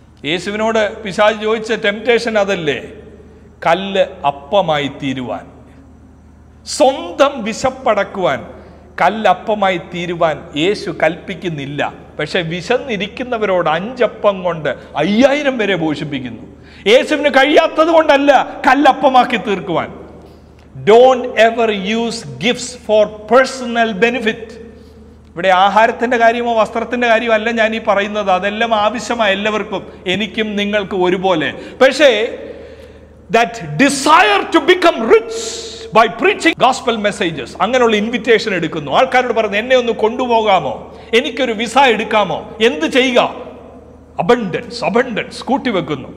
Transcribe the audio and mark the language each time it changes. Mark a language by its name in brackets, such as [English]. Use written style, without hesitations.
[Malayalam] യേശുവിനോട് പിശാച് ചോദിച്ച ടെംപ്റ്റേഷൻ അതല്ലേ, കല്ല് അപ്പമായി തീരുവാൻ, സ്വന്തം വിശപ്പടക്കുവാൻ കല്ലപ്പമായി തീരുവാൻ യേശു കൽപ്പിക്കുന്നില്ല. പക്ഷെ വിശന്നിരിക്കുന്നവരോട് 5 അപ്പം കൊണ്ട് 5000 വരെ പോഷിപ്പിക്കുന്നു. യേശുവിന് കഴിയാത്തത് കൊണ്ടല്ല കല്ലപ്പമാക്കി തീർക്കുവാൻ. [English] Don't ever use gifts for personal benefit. [Malayalam] ഇവിടെ ആഹാരത്തിൻ്റെ കാര്യമോ വസ്ത്രത്തിൻ്റെ കാര്യമോ അല്ല ഞാൻ ഈ പറയുന്നത്, അതെല്ലാം ആവശ്യമായ എല്ലാവർക്കും, എനിക്കും നിങ്ങൾക്കും ഒരുപോലെ. പക്ഷേ [English] that desire to become rich by preaching gospel messages, [Malayalam] അങ്ങനെയുള്ള ഇൻവിറ്റേഷൻ എടുക്കുന്നു, ആൾക്കാരോട് പറഞ്ഞു എന്നെ ഒന്ന് കൊണ്ടുപോകാമോ, എനിക്കൊരു വിസ എടുക്കാമോ, എന്ത് ചെയ്യുക, അബണ്ടൻസ് കൂട്ടിവെക്കുന്നു.